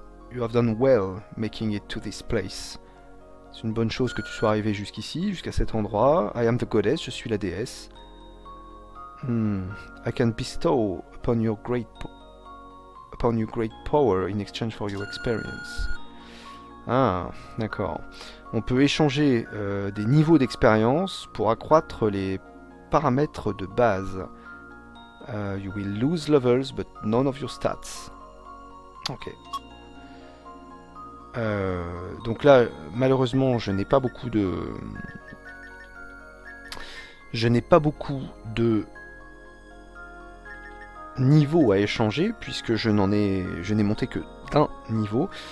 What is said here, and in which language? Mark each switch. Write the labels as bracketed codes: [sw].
[en] You have done well making it to this place. [fr] C'est une bonne chose que tu sois arrivé jusqu'ici, jusqu'à cet endroit. [en] I am the goddess, [fr] je suis la déesse. [en] I can bestow upon your great power in exchange for your experience. [fr] Ah, d'accord. On peut échanger des niveaux d'expérience pour accroître les paramètres de base. [en] You will lose levels, but none of your stats. Ok. [fr] Donc là, malheureusement, je n'ai pas beaucoup de niveaux à échanger puisque je n'ai monté que d'un niveau.